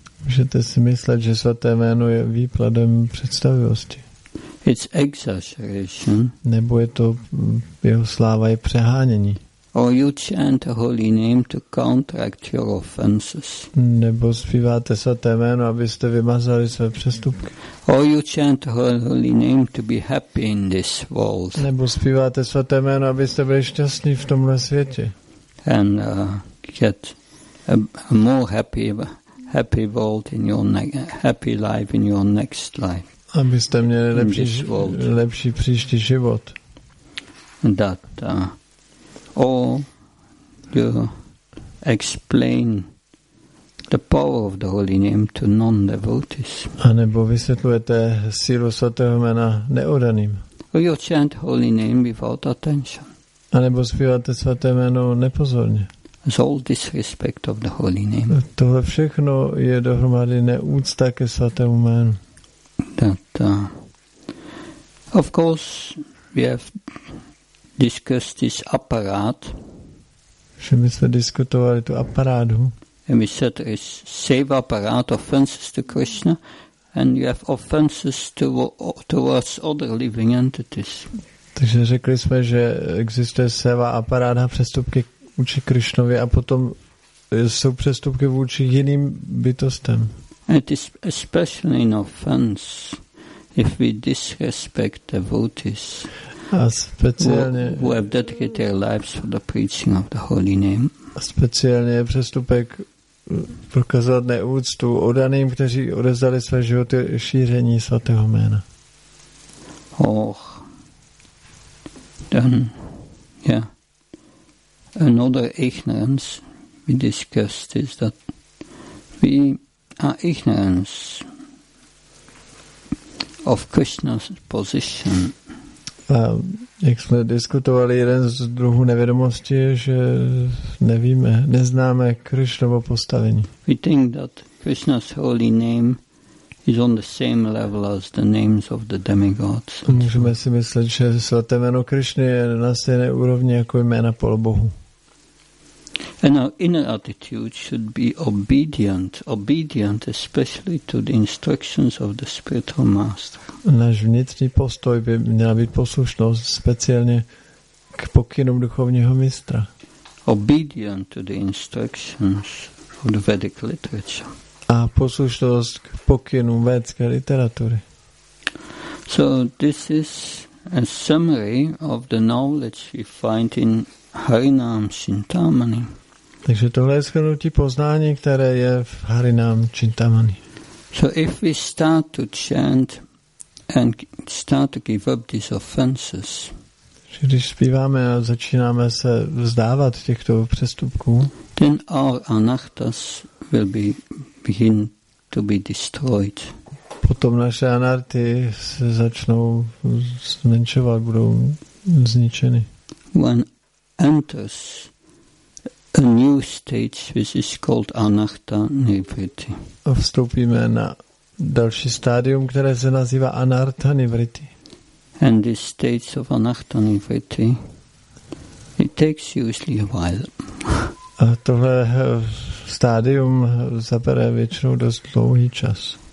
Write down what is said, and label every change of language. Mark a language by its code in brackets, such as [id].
[cs] Můžete si myslet, že svaté jméno je výkladem představivosti. [en] It's exaggeration. [cs] Nebo je to, jeho sláva je přehánění. [en] Or you chant the holy name to counteract your offenses. [cs] Nebo zpíváte svaté jméno, abyste vymazali své přestupky. [en] Or you chant the holy name to be happy in this world. [cs] Nebo zpíváte svaté jméno, abyste byli šťastní v tomhle světě. [en] And get a more happy world in your happy life in your next life. [cs] Abyste měli lepší příští život. [en] That or you explain the power of the holy name to non-devotees. [cs] A nebo vysvětlujete sílu svatého jména neodaným. [en] Or you chant holy name without attention. [cs] A nebo zpíváte svaté jméno nepozorně. [en] It's all disrespect of the holy name. [cs] Tohle všechno je dohromady neúcta ke svatému jménu. [en] That, of course, we have discussed this apparat. [cs] Že my jsme diskutovali tu aparátu. [en] And we said there is seva apparat, offenses to Krishna, and you have offenses towards other living entities. [cs] Takže řekli jsme, že existuje seva aparát a přestupky vůči Krišnovi a potom jsou přestupky vůči jiným bytostem. [en] It is especially an offense if we disrespect devotees [cs] a speciálně, [en] who have dedicated their lives for the preaching of the holy name. [cs] A speciálně je přestupek prokazovat neúctu odaným, kteří odevzdali své životy šíření svatého jména. [en] Oh, then, yeah. Another ignorance we discussed is that we are ignorant of Krishna's position. [cs] Jak jsme diskutovali, jeden z druhů nevědomosti je, že nevíme, neznáme Krishnovo postavení. [en] We think that Krishna's holy name is on the same level as the names of the demigods. [cs] Můžeme si myslet, že svaté jméno Krishna je na stejné úrovni jako jména polobohu. [en] And our inner attitude should be obedient, obedient especially to the instructions of the spiritual master. [cs] Náš vnitřní postoj by měla být poslušnost speciálně k pokynům duchovního mistra. [en] Obedient to the instructions of the Vedic literature. [cs] A poslušnost k pokynům védské literatury. [en] So this is a summary of the knowledge we find in Harinam Chintamani. [cs] Takže tohle je shrnutí poznání, které je v Harinam Chintamani. [en] So if we start to chant and start to give up these offenses, [cs] když zpíváme a začínáme se vzdávat těchto přestupků, [en] then our anarthas will be begin to be destroyed. [cs] Potom naše anarty se začnou zmenšovat, budou zničeny. [en] When enters a new stage, which is called anartha nivritti. [cs] Vstoupíme na další stádium, které se nazývá anartha nivritti. [en] And this stage of anartha nivritti, it takes usually a while. [cs] A tohle stádium zabere většinou dost dlouhý čas.